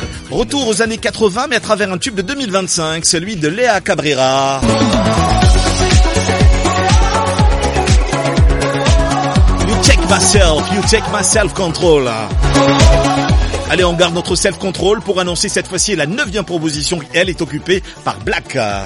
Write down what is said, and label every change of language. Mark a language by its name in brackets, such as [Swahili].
[French] Retour aux années 80, mais à travers un tube de 2025, celui de Léa Cabrera. [English] You take myself, you take my self-control. [French] Allez, on garde notre self-control pour annoncer cette fois-ci la neuvième proposition. Elle est occupée par Black.